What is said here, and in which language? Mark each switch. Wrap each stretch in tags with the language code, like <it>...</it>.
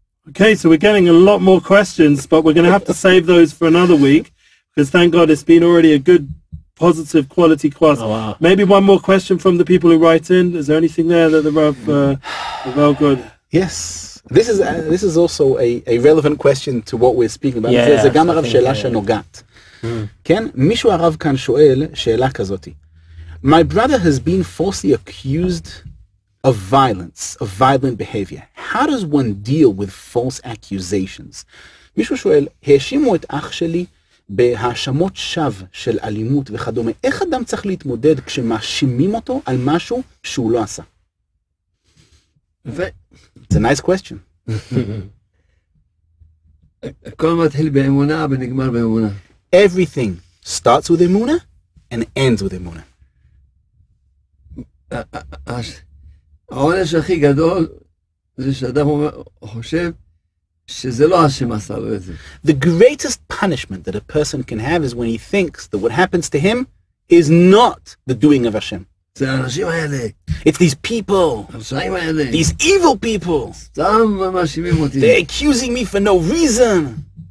<en>Okay, so we're getting a lot more questions, but we're going to have to save those for another week, because thank God it's been already a good positive quality class. Oh, wow. Maybe one more question from the people who write in. Is there anything there that the Rav good? Yes, this is also a relevant question to what we're speaking about. Yeah,</en> <he>זה גם הרב שאלה שנוגעת. כן, מישהו הרב כאן שואל שאלה כזאת.</he> <en>My brother has been falsely accused of violence, of violent behavior. How does one deal with false accusations?</en> <he>מישהו שואל, האשימו את אח שלי בהאשמות שווא של אלימות וכדומה. איך אדם צריך להתמודד כשמאשימים אותו על משהו שהוא לא עשה?</he> <en>It's a nice question.</en> <he>כל מתחיל באמונה ונגמר באמונה.</he> <en>Everything starts with אמונה and ends with אמונה.</en> <he>העונש הכי גדול זה שאדם חושב שזה לא השם עשה לו את זה.</he> <en>The greatest punishment that a person can have is when he thinks that what happens to him is not the doing of Hashem.</en> <he>זה האנשים האלה.</he> <en>It's these people.</en> <he>האנשים האלה.</he> <en>These evil people.</en> <he>סתם מאשימים אותי.</he> <en>They're accusing me for no reason.</en>